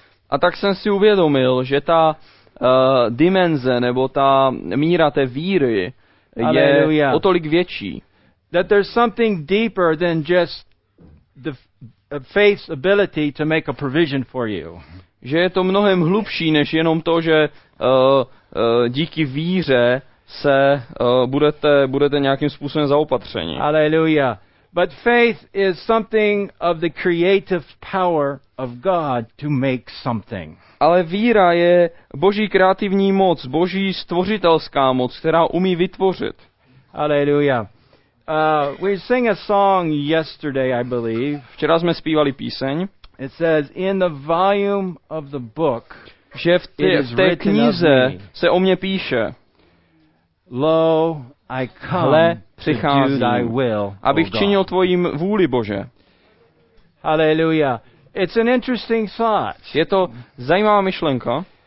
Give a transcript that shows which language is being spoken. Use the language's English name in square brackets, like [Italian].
[Czech] A tak jsem si uvědomil, že ta dimenze nebo ta míra té víry je o tolik větší. [English] That there's something deeper than just the faith's ability to make a provision for you. [Czech] Že je to mnohem hlubší než jenom to, že díky víře se budete nějakým způsobem zaopatření. Aleluja. [English] But faith is something of the creative power of God to make something. [Czech] Ale víra je boží kreativní moc, boží stvořitelská moc, která umí vytvořit. Aleluja. [English] We sang a song yesterday, I believe. [Czech] Včera jsme zpívali píseň. [English] It says, in the volume of the book, [Czech] že v té knize se o mě píše. [English] Lo, I come to do thy will, [Czech] abych činil tvoji vůli, Bože. Aleluja. [English] It's an interesting thought. [Czech] Je to zajímavá myšlenka.